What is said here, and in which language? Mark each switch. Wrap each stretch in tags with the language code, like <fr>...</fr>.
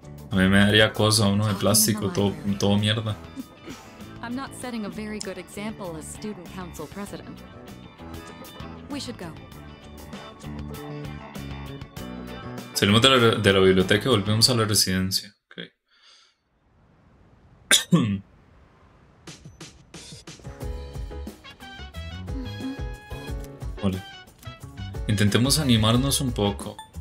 <es>A mí me daría cosa uno de plástico. Todo mierda.</es> <en>I'm not setting a very good example as student council president. We should go.</en> <es>Salimos de la biblioteca y volvemos a la residencia.</es> <en>Okay.</en> <es>Hola. Intentemos animarnos un poco.</es>